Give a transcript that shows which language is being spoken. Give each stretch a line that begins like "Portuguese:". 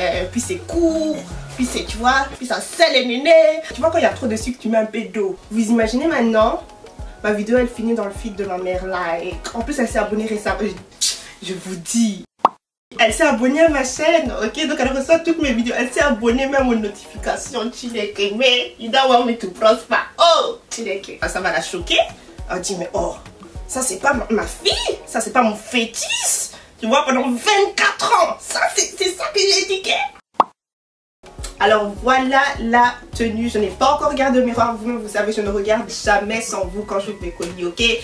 French: Puis c'est court, puis c'est, tu vois, puis ça s'éliminé. Tu vois quand il y a trop de sucre, tu mets un peu d'eau. Vous imaginez maintenant? Ma vidéo elle finit dans le feed de ma mère, like. En plus elle s'est abonnée récemment, je vous dis. Elle s'est abonnée à ma chaîne, ok? Donc elle reçoit toutes mes vidéos. Elle s'est abonnée même aux notifications.
English: Chileke,
French: mais
English: you don't want me to prosper.
French: Oh, chileke. Ah, ça va la choquer. Elle dit, mais oh, ça c'est pas ma fille. Ça c'est pas mon fétiche. Tu vois, pendant 24 ans. Ça c'est ça que j'ai éduqué. Alors voilà la tenue, je n'ai pas encore regardé le miroir, vous savez je ne regarde jamais sans vous quand je fais mes colis, ok?